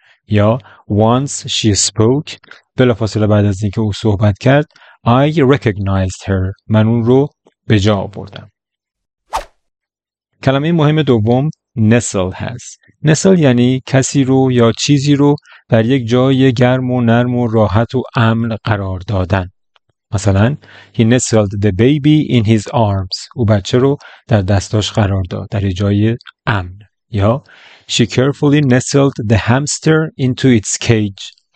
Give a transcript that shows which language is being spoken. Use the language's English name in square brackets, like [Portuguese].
[Persian] یا [English] once she spoke [Persian] بلافاصله بعد از اینکه او صحبت کرد [English] I recognized her [Persian] من اون رو به جا آوردم. کلمه مهم دوم nestle هست. نسل یعنی کسی رو یا چیزی رو در یک جای گرم و نرم و راحت و امن قرار دادن. [English] مثلا He nestled the baby in his arms. [Persian] او بچه رو در دستاش قرار داد در یک جای امن. [English] یا She carefully nestled the hamster into its cage.